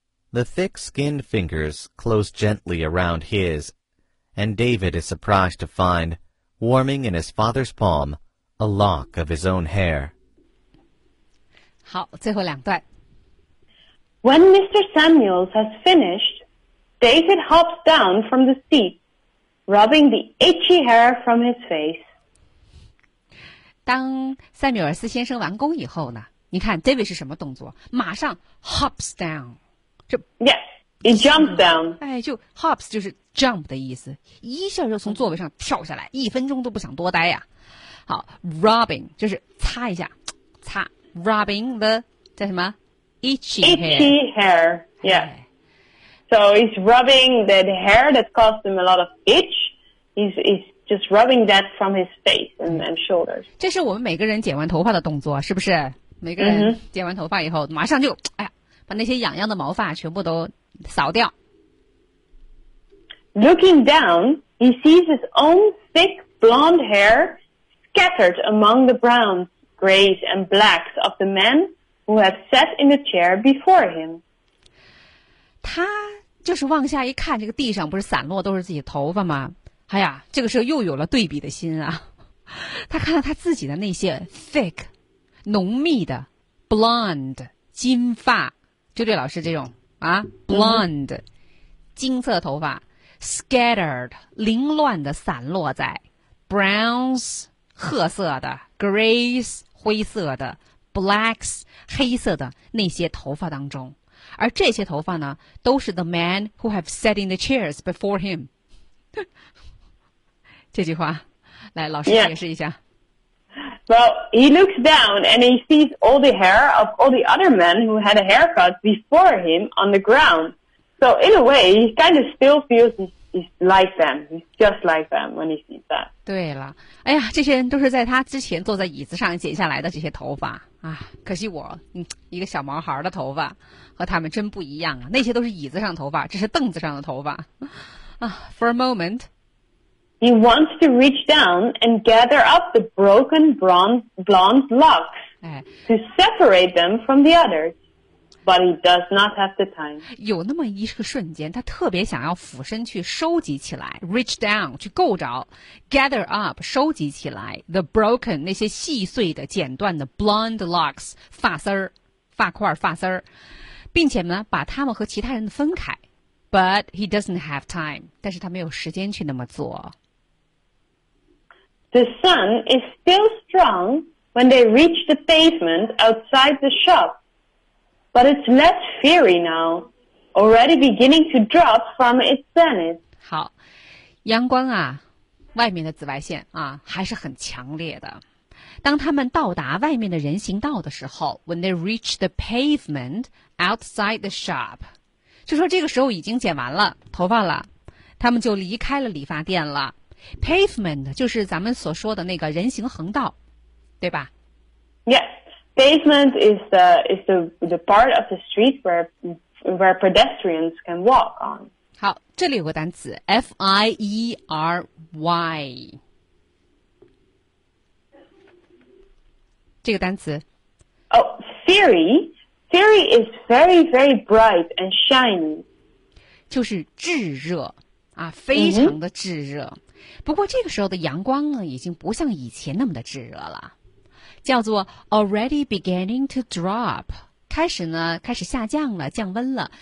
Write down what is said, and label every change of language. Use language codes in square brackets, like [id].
[en] The thick skinned fingers close gently around his, and David is surprised to find, warming in his father's palm, a lock of his own hair. [zh] 好，最后两段。 [en] When Mr. Samuels has finished, David hops down from the seat, rubbing the itchy hair from his face. [zh] 当塞缪尔斯先生完工以后呢？你看 David 是什么动作？马上 [en] hops down, [zh] 就 [en] yes, he jumps down. [zh] 哎，就 hops 就是 jump 的意思，一下就从座位上跳下来，一分钟都不想多待呀。好 ，rubbing 就是擦一下，擦 [en] rubbing the [zh] 叫什么 [en] itchy hair. Yeah. So he's rubbing that hair that caused him a lot of itch. He's just rubbing that from his face and shoulders. [zh] 这是我们每个人剪完头发的动作，是不是？每个人剪完头发以后，马上就哎呀，把那些痒痒的毛发全部都扫掉。 [en] Looking down, he sees his own thick blonde hair scattered among the browns, grays, and blacks of the men who had sat in the chair before him. [zh] 他就是往下一看，这个地上不是散落都是自己头发吗？哎呀，这个时候又有了对比的心啊！他看到他自己的那些 thick 浓密的 blonde 金发，就对老师这种啊 blonde 金色头发 scattered 凌乱的散落在 browns 褐色的 grays 灰色的 blacks 黑色的那些头发当中，而这些头发呢都是 [en] the man who have sat in the chairs before him [zh] 这句话来老师解释一下。 [en] Well, he looks down and he sees all the hair of all the other men who had a haircut before him on the ground. So in a way, he kind of still feels he's like them. He's just like them when he sees that. [zh] 对了，哎呀，这些人都是在他之前坐在椅子上剪下来的这些头发啊。可惜我，一个小毛孩的头发和他们真不一样啊。那些都是椅子上头发，这是凳子上的头发啊。 [en] For a moment. He wants to reach down and gather up the broken blonde locks to separate them from the others, but he does not have the time. [zh] 有那么一个瞬间，他特别想要俯身去收集起来 ， [en] reach down [zh] 去够着 ， [en] gather up [zh] 收集起来 [en] the broken [zh] 那些细碎的、剪断的 [en] blonde locks [zh] 发丝儿、发块、发丝儿，并且呢，把他们和其他人分开。 [en] But he doesn't have time. [zh] 但是他没有时间去那么做。 [en] The sun is still strong when they reach the pavement outside the shop. But it's less fiery now, already beginning to drop from its zenith. [zh] 好，阳光啊，外面的紫外线啊，还是很强烈的。当他们到达外面的人行道的时候 ， [en] when they reach the pavement outside the shop. [zh] 就说这个时候已经剪完了头发了，他们就离开了理发店了。 Pavement 就是咱们所说的那个人行横道，对吧 [en] ？Yes, pavement is the part of the street where pedestrians can walk on. [zh] 好，这里有个单词 F I E R Y， 这个单词。 [en] Fiery。 Fiery is very, very bright and shiny. [zh] 就是炙热啊，非常的炙热。 Mm-hmm. 不过这个时候的阳光呢，已经不像以前那么的炙热了，叫做 [en] already beginning to drop， [zh] 开始呢，开始下降了，降温了。